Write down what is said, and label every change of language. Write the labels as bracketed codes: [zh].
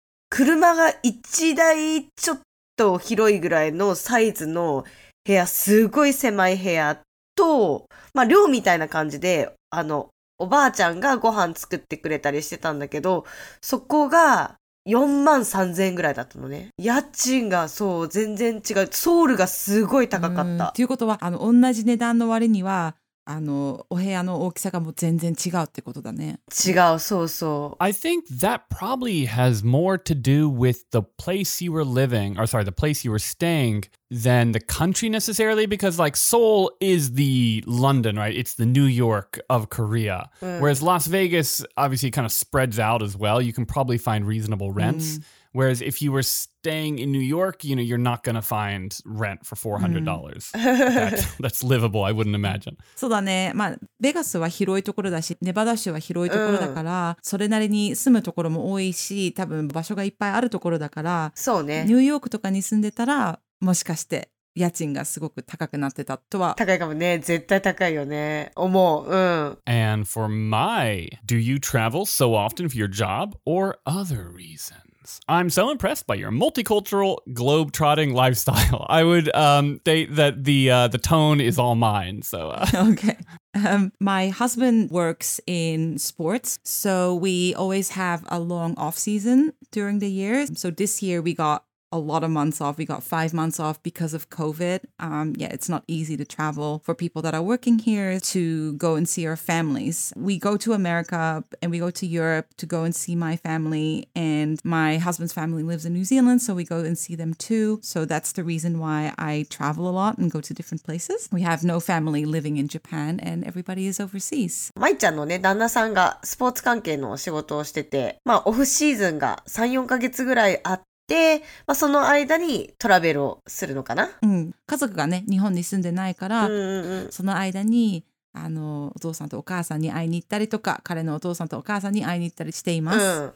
[ja] 車が一台ちょっと広いぐらいのサイズの部屋、すごい狭い部屋と、まあ寮みたいな感じで、おばあちゃんがご飯作ってくれたりしてたんだけど、そこが4万3000円ぐらいだったのね。家賃がそう、全然違う。ソウルがすごい高かった。ということは、同じ値段の割には、お部屋の大きさがもう全然違うってことだね。違う、そうそう。 [en] I think that probably has more to do with the place you were living, or sorry, the place you were staying, than the country necessarily, because like Seoul is the London, right? It's the New York of Korea. Whereas Las Vegas obviously kind of spreads out as well. You can probably find reasonable rents. Whereas if you were staying in New York, you know, you're not going to find rent for $400. That's livable, I wouldn't imagine. [ja] そうだね。まあ、ベガスは広いところだし、ネバダ州は広いところだから、それなりに住むところも多いし、多分場所がいっぱいあるところだから、そうね。ニューヨークとかに住んでたら、もしかして家賃がすごく高くなってたとは。高いかもね。絶対高いよね。思う。うん。 [en] And for my, do you travel so often for your job or other reasons? I'm so impressed by your multicultural globe-trotting lifestyle. I would state that the tone is all mine. So okay. My husband works in sports, so we always have a long off-season during the year. So this year we got a lot of months off. We got 5 months off because of COVID. It's not easy to travel for people that are working here to go and see our families. We go to America and we go to Europe to go and see my family. And my husband's family lives in New Zealand, so we go and see them too. So that's the reason why I travel a lot and go to different places. We have no family living in Japan and everybody is overseas. [ja] Mai-chan のね、旦那さんがスポーツ関係の仕事をしてて、まあ、オフシーズンが 3,4 ヶ月ぐらいあって、で、まあ、その間にトラベルをするのかな。うん、家族がね、日本に住んでないから、うんうんうん、その間にお父さんとお母さんに会いに行ったりとか、彼のお父さんとお母さんに会いに行ったりしています。